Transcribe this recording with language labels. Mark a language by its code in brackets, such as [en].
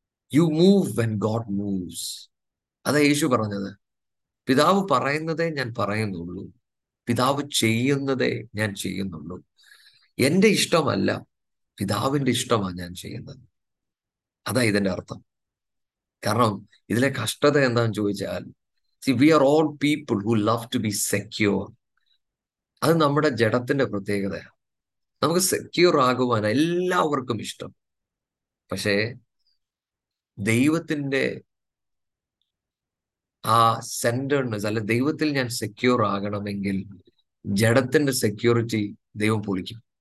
[en] You move when God moves. [ml] അതാ യേശു പറഞ്ഞത്, പിതാവ് പറയുന്നതേ ഞാൻ പറയുന്നുള്ളൂ, പിതാവ് ചെയ്യുന്നതേ ഞാൻ ചെയ്യുന്നുള്ളൂ, എൻ്റെ ഇഷ്ടമല്ല പിതാവിൻ്റെ ഇഷ്ടമാണ് ഞാൻ ചെയ്യുന്നത്. അതാ ഇതിൻ്റെ അർത്ഥം. കാരണം ഇതിലെ കഷ്ടത എന്താണെന്ന് ചോദിച്ചാൽ, [en] See, we are all people who love to be secure. [ml] അത് നമ്മുടെ ജഡത്തിന്റെ പ്രത്യേകതയാണ്. നമുക്ക് സെക്യൂർ ആകുവാൻ എല്ലാവർക്കും ഇഷ്ടം. പക്ഷേ ദൈവത്തിൻ്റെ ആ സെന്റേർഡ്നെസ്, അല്ലെ, ദൈവത്തിൽ ഞാൻ സെക്യൂർ ആകണമെങ്കിൽ ജഡത്തിന്റെ സെക്യൂരിറ്റി ദൈവം പൊളിക്കും.